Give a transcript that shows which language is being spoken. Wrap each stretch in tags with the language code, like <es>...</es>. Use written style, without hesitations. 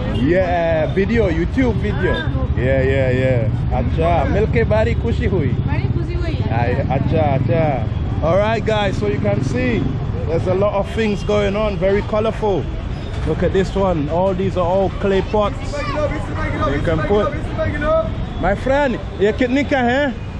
<hi>ये video, YouTube video. हाँ. ये ये ये. अच्छा, मिलके बड़ी खुशी हुई. बड़ी खुशी हुई. अच्छा अच्छा.</hi> <en>Alright guys, so you can see there's a lot of things going on, very colorful. Look at this one. All these are all clay pots. You can put. My friend,</en> <hi>ये कितने का है?</hi>